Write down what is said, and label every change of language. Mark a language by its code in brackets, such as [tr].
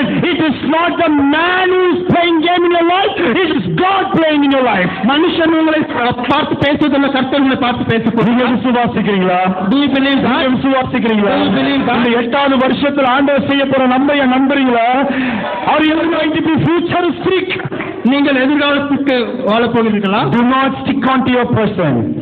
[en] It is not the man who is playing game in your life, it is God playing in your life. [ta] மனுஷன் உங்களை பார்த்து பேசுவதில்லை, கர்த்தர்களை பார்த்து பேசக்கூடிய விசுவாசிக்கிறீங்களா? [en] Do you believe that? [ta] விசுவாசிக்கிறீங்களா? [en] Do you believe that? [ta] இந்த 8வது வருஷத்தில் ஆண்டவர் செய்ய போற நம்பிய நம்புறீங்களா? [en] Are you going to be futuristic? [ta] நீங்கள் எதிர்காலத்துக்கு வாழப் போகிறீர்களா? [en] Do not stick on to your present.